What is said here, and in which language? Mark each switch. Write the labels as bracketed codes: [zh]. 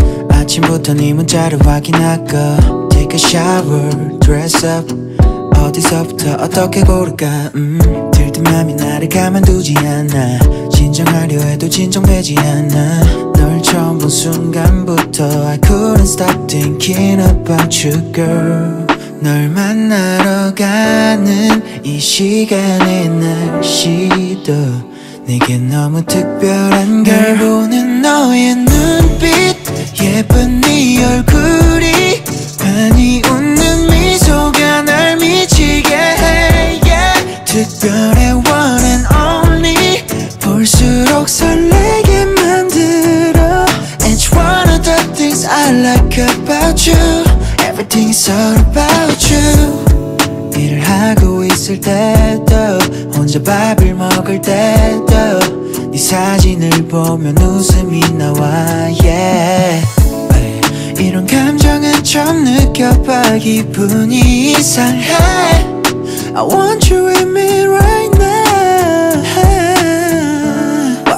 [ko] 아침부터 네 문자를 확인할까. [en] Take a shower, dress up. [ko] 어디서부터 어떻게 고를까. 들뜸하면 나를 가만두지 않아. 진정하려 해도 진정되지 않아. 널 처음 본 순간부터 [en] I couldn't stop thinking about you girl. [ko] 널 만나러 가는 이 시간의 날씨도 내게 너무 특별한 걸. 날 보는 너의 눈빛, 예쁜 네 얼굴이, 많이 웃는 미소가 날 미치게 해. [en] Yeah. [ko] 특별해 [en] one and only. [ko] 볼수록 설레게 만들어. [en] It's one of the things I like about you. Everything is all about you. [ko] 일을 하고 있을 때도 혼자 밥을 먹을 때도 네 사진을 보면 웃음이 나와. [en] Yeah. [ko] 이런 감정은 처음 느껴봐. 기분이 이상해. [en] I want you with me right now.